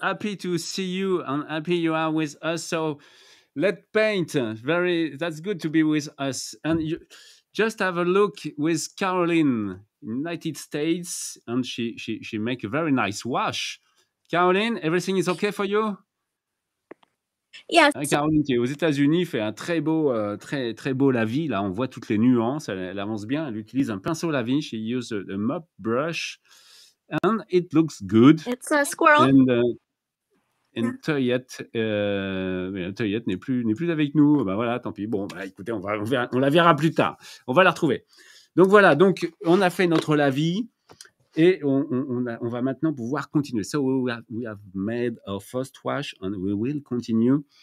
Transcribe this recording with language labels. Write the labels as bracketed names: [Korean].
[English] Happy to see you and happy you are with us. So, let's paint. That's good to be with us. And you... Just have a look with Caroline in United States, and she make a very nice wash. Caroline, everything is okay for you? Yes. [French] Caroline qui est aux États-Unis fait un très beau, très très beau lavis. Là, on voit toutes les nuances. Elle avance bien. Elle utilise un pinceau lavis. [English] She use a mop brush, and it looks good. It's a squirrel. [French] And Toyette n'est plus avec nous. Ben voilà, tant pis. Bon, ben écoutez, on la verra plus tard. On va la retrouver. Donc voilà, donc on a fait notre lavis et on va maintenant pouvoir continuer. [English] So we have made our first wash and we will continue.